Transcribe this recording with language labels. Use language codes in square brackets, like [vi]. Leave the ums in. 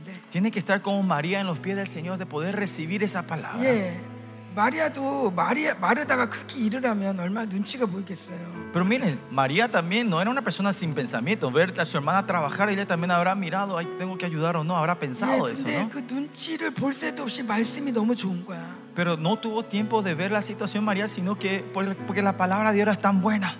[es] Tiene que estar como María en los pies del Señor de poder recibir esa palabra. [ko] 마리아도 마리아 마르다가 그렇게 일을 하면 얼마 눈치가 보이겠어요. [es] Pero miren, María también no era una persona sin pensamiento. Ver a su hermana trabajar, ella también habrá mirado, ay, tengo que ayudar o no, habrá pensado 네, eso, ¿no? [ko] 그 눈치를 볼 새도 없이 말씀이 너무 좋은 거야. [es] Pero no tuvo tiempo de ver la situación María, sino que porque la palabra de Dios era tan buena.